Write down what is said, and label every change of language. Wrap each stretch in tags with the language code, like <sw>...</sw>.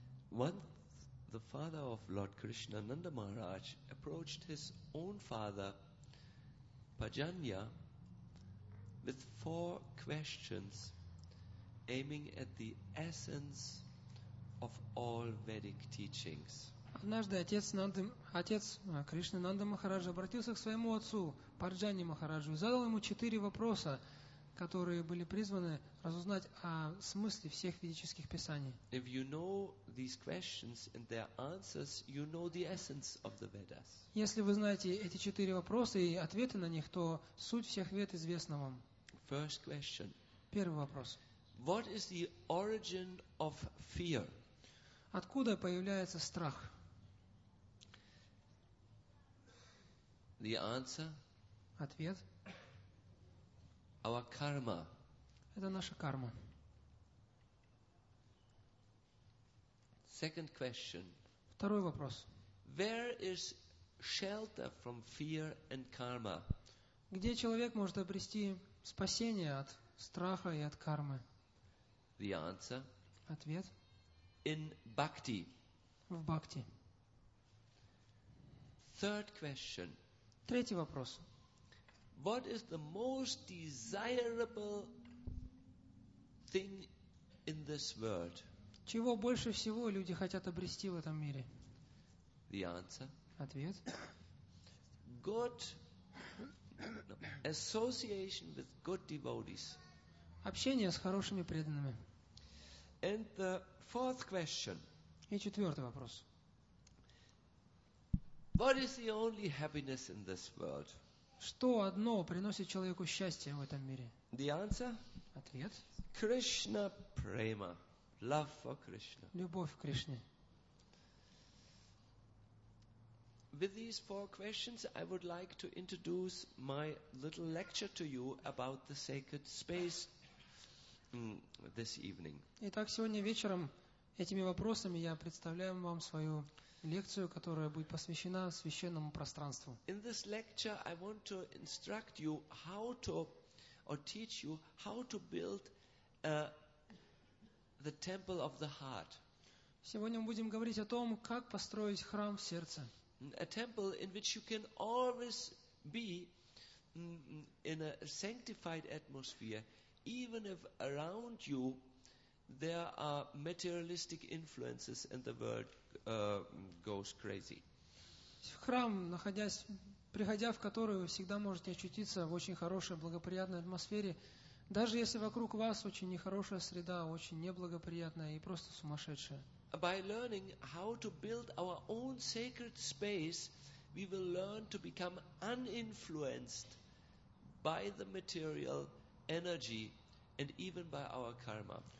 <en>Once the father of Lord Krishna, Nanda Maharaj, approached his own father, Pajanya, with four questions aiming at the essence of all Vedic teachings.</en> <ru>Однажды отец Кришны, Нанда Махараджа, обратился к своему отцу, Парджани Махараджу, и задал ему четыре вопроса, которые были призваны разузнать о смысле всех ведических писаний.</ru> <en>If you know these questions and their answers, you know the essence of the Vedas.</en> <ru>Если вы знаете эти четыре вопроса и ответы на них, то суть всех вед известна вам.</ru> <en>First question.</en> <ru>Первый вопрос.</ru> <en>What is the origin of fear?</en> <ru>Откуда появляется страх?</ru> <en>The answer.</en> <ru>Ответ.</ru> <en>Our karma.</en> <ru>Это наша карма.</ru> <en>Second question.</en> <ru>Второй вопрос.</ru> <en>Where is shelter from fear and karma?</en> <ru>Где человек может обрести спасение от страха и от кармы?</ru> <en>The answer.</en> <ru>Ответ.</ru> <en>In bhakti.</en> <ru>В бхакти.</ru> <en>Third question.</en> <ru>Третий вопрос.</ru> <en>What is the most desirable thing in this world?</en> <ru>Чего больше всего люди хотят обрести в этом мире?</ru> <en>The answer.</en> <ru>Ответ.</ru> <en>Good association with good devotees.</en> <ru>Общение с хорошими преданными.</ru> <en>And the fourth question.</en> <ru>И четвертый вопрос.</ru> <en>What is the only happiness in this world?</en> <ru>Что одно приносит человеку счастье в этом мире?</ru> <en>The answer?</en> <ru>Ответ.</ru> <en>Krishna prema. Love for Krishna.</en> <ru>Любовь к Кришне.</ru> <en>With these four questions, I would like to introduce my little lecture to you about the sacred space this evening.</en> <ru>Итак, сегодня вечером этими вопросами я представляю вам свою лекцию, которая будет посвящена священному пространству.</ru> <en>In this lecture I want to instruct you how to or teach you how to build the temple of the heart.</en> <ru>Сегодня мы будем говорить о том, как построить храм в сердце.</ru> <en>A temple in which you can always be in a sanctified atmosphere, even if around you there are materialistic influences and the world goes crazy.</en> <ru>Храм, приходя в который, вы всегда можете очутиться в очень хорошей, благоприятной атмосфере, даже если вокруг вас очень нехорошая среда, очень неблагоприятная и просто сумасшедшая.</ru> <en>By learning how to build our own sacred space, we will learn to become uninfluenced by the material energy and even by our karma.</en>